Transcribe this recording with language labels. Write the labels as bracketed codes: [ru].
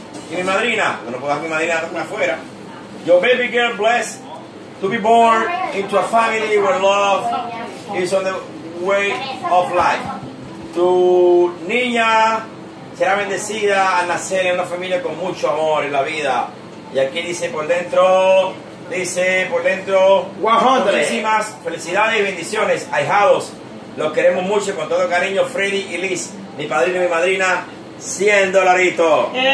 [es] Y mi madrina, yo no puedo dejar mi madrina atrás afuera. [en] Your baby girl blessed to be born into a family where love is on the way of life. [es] Tu niña será bendecida al nacer en una familia con mucho amor en la vida. Y aquí dice por dentro, 100. Muchísimas felicidades y bendiciones, ahijados. Los queremos mucho con todo cariño, Freddy y Liz, mi padrino y mi madrina, $100.